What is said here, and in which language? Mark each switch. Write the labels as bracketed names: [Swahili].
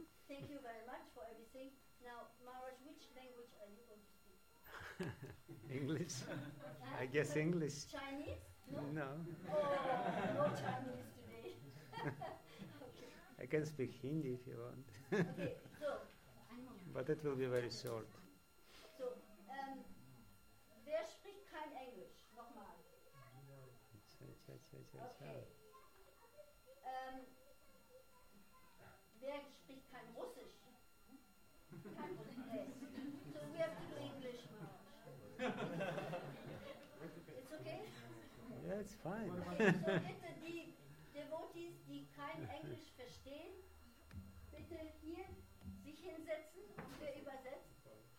[English] Thank you very much for everything. Now, Maharaj, which language are you going to speak? English? I guess English. Chinese? No. No. Oh, no Chinese today. Okay. I can speak Hindi if you want. Okay, so. But it will be very short. [German] So, wer spricht kein Englisch? Nochmal. Cha-cha-cha-cha-cha. [English] Okay. [German] Wer spricht kein Russisch? [English] Yes. So we have to do English, Maharaj. It's okay? Yeah, it's fine. [German] Okay, so bitte die Devotees, die kein Englisch verstehen, bitte hier sich hinsetzen und wir übersetzen.